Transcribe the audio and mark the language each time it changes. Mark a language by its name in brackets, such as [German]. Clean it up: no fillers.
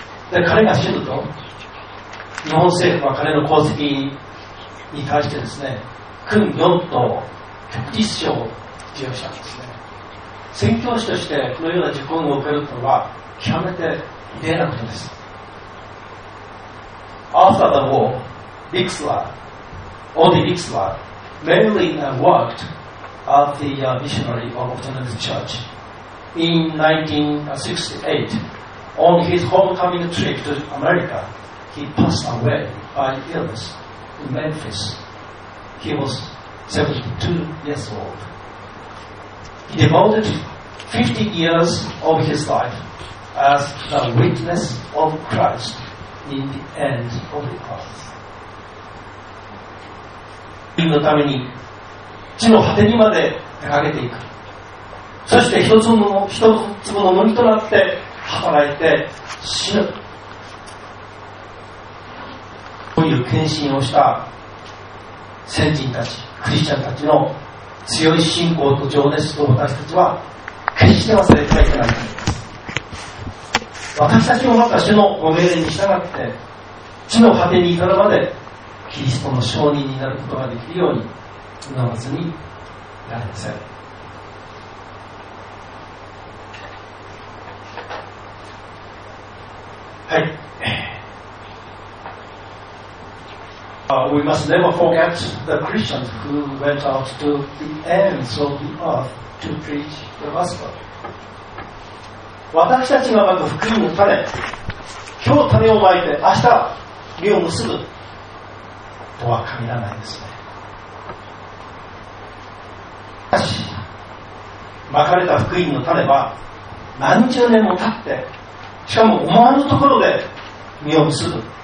[Japanese] で、彼が死ぬと、日本政府は彼の功績に対してですね、勲4等、旭日章を授与したんですね。宣教師としてこのような受勲を受けるというのは、極めて異例なことです。 [English] After the war, Bixler, Odie Bixler, mainly worked.At the missionary of Ottoman Church in 1968, on his homecoming trip to America, he passed away by illness in Memphis. He was 72 years old. He devoted 50 years of his life as the witness of Christ in the end of the earth. [Japanese] 民のために地の果てにまで出かけていく。そして一つの一つの重みとなって働いて死ぬという献身をした先人たち、クリスチャンたちの強い信仰と情熱と私たちは決して忘れてはいけないと思います。私たちもまた主のご命令に従って地の果てに至るまでキリストの証人になることができるように祈らずにいられません。 [English] はい、We must never forget the Christians who went out to the ends of the earth to preach the gospel. [Japanese] 私たちがまず福音の種、今日種をまいて明日実を結ぶとは限らないですね。しかし、まかれた福音の種は何十年も経って、しかも思わぬところで実を結ぶ。